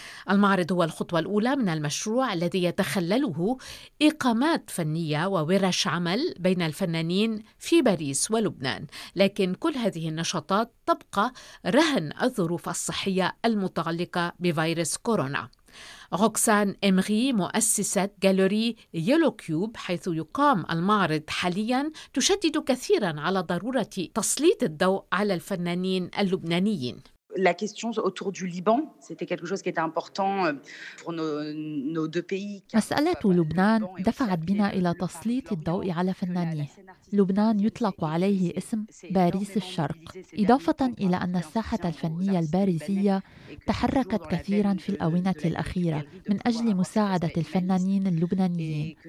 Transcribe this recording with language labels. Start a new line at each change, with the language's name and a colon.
Arabic: المعرض هو الخطوة الأولى من المشروع الذي يتخلله إقامات فنية وورش عمل بين الفنانين في باريس ولبنان، لكن كل هذه النشاطات تبقى رهن الظروف الصحية المتعلقة بفيروس كورونا. روكسان إمغي مؤسسة جاليري يلو كيوب حيث يقام المعرض حالياً تشدد كثيراً على ضرورة تسليط الضوء على الفنانين اللبنانيين.
French: La question autour du Liban, c'était quelque chose qui était important pour nos deux pays.
Arabic: مسألة لبنان دفعت بنا إلى تسليط الضوء على فنانيه. لبنان يطلق عليه اسم باريس الشرق، إضافة إلى أن الساحة الفنية الباريسية تحركت كثيراً في الأونة الأخيرة من أجل مساعدة الفنانين اللبنانيين.